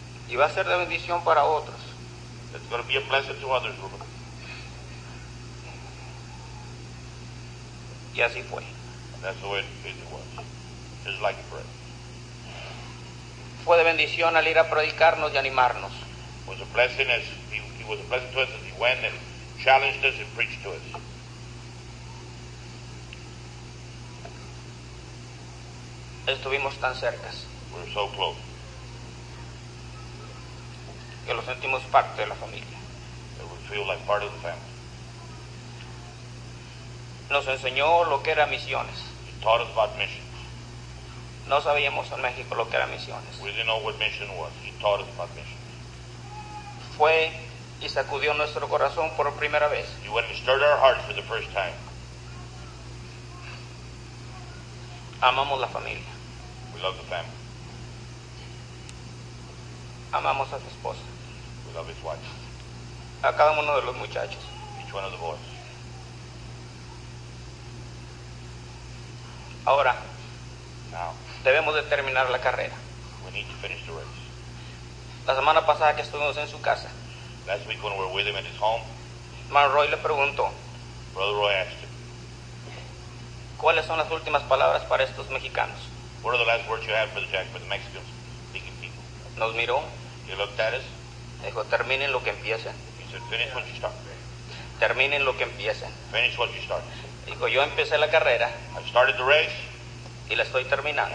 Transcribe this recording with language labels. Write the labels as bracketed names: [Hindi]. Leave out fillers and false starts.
[Spanish] Y va a ser de bendición para otros. [English] It's going to be a blessing to others, Rubén. [Spanish] Y así fue. [English] And that's the way it was. Just like it was. [Spanish] Fue de bendición al ir a predicarnos y animarnos. [English] It was a blessing as he was a blessing to us as he went and challenged us and preached to us. [Spanish] Estuvimos tan cerca. [English] We were so close. [Spanish] Que lo sentimos parte de la familia. [English] That we feel like part of the family. [Spanish] Nos enseñó lo que era misiones. [English] He taught us about missions. [Spanish] No sabíamos en México lo que era misiones. [English] We didn't know what mission was. He taught us about missions. [Spanish] Fue y sacudió nuestro corazón por primera vez. [English] He went and stirred our hearts for the first time. [Spanish] Amamos la familia. [English] We love the family. [Spanish] Amamos a su esposa. [English] We love his wife. [Spanish] A cada uno de los muchachos. [English] Each one of the boys. [Spanish] Ahora, [English] now, [Spanish] debemos de terminar la carrera. [English] We need to finish the race. [Spanish] La semana pasada que estuvimos en su casa, [English] last week when we were with him at his home, [Spanish] Man Roy le preguntó, [English] Brother Roy asked him, [Spanish] ¿cuáles son las últimas palabras para estos mexicanos? [English] What are the last words you have for the Jack, for the Mexicans speaking people? [Spanish] Nos miró. [English] He looked at us. [Spanish] Dijo, terminen lo que empiecen. [English] He said, finish what you start. [Spanish] Terminen lo que empiecen. [English] Finish what you start. [Spanish] Dijo, yo empecé la carrera. [English] I started the race. [Spanish] Y la estoy terminando.